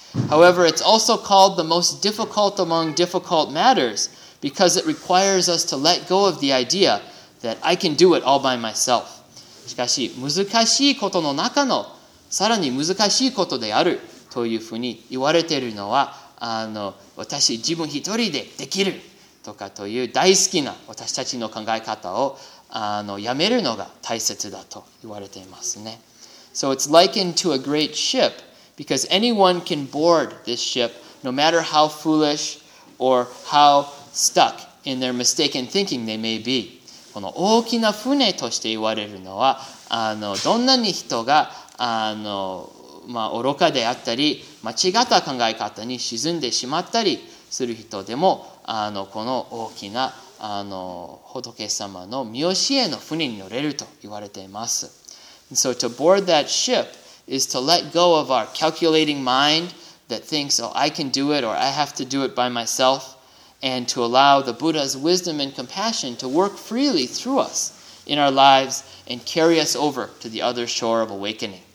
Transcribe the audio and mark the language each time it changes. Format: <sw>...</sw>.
<en>However, it's also called the most difficult among difficult matters. Because it requires us to let go of the idea that I can do it all by myself.</en> <ja>しかし、難しいことの中のさらに難しいことであるというふうに言われているのは、私自分一人でできるとかという大好きな私たちの考え方をやめるのが大切だと言われていますね。</ja> <en>So it's likened to a great ship because anyone can board this ship no matter how foolish or howstuck in their mistaken thinking they may be.</en> <ja>この大きな船として言われるのはどんなに人が愚かであったり間違った考え方に沈んでしまったりする人でもこの大きな仏様の御教えの船に乗れると言われています。</ja> <en>And so to board that ship is to let go of our calculating mind that thinks, oh, I can do it or I have to do it by myself. And to allow the Buddha's wisdom and compassion to work freely through us in our lives and carry us over to the other shore of awakening.</en>